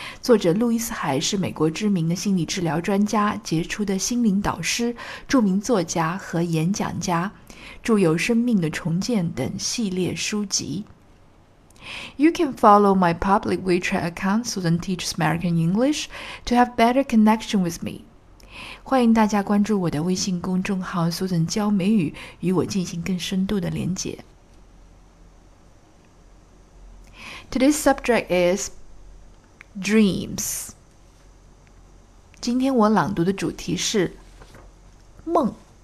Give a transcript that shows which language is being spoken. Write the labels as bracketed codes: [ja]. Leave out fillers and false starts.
[zh] 作者路易斯海是美国知名的心理治疗专家，杰出的心灵导师，著名作家和演讲家，著有《生命的重建》等系列书籍。 [en] You can follow my public WeChat account, Susan Teaches American English, to have better connection with me. [zh] 欢迎大家关注我的微信公众号 Susan 教美语，与我进行更深度的连结。 [en] Today's subject is dreams. [zh] 今天我朗读的主题是梦。